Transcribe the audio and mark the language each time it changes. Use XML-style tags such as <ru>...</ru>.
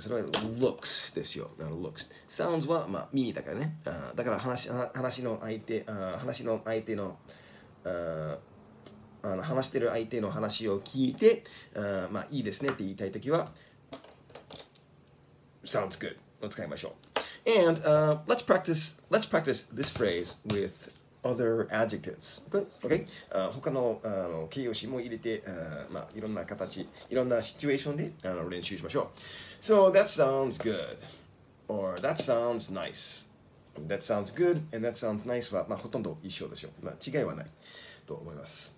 <ja>それは looks ですよ。looks sounds はまあ耳だからね。だから話の相手話の相手の話してる相手の話を聞いて、まあいいですねって言いたいときは、sounds good を使いましょう。</ja> <en>And、let's practice this phrase with other adjectives. Good? Okay?</en> <ja>他の、形容詞も入れて、まあいろんな形、いろんなシチュエーションで練習しましょう。</ja> <en>So that sounds good. Or that sounds nice. That sounds good and that sounds nice</en> <ja>は、まあ、ほとんど一緒ですよ。まあ違いはない。と思います。</ja>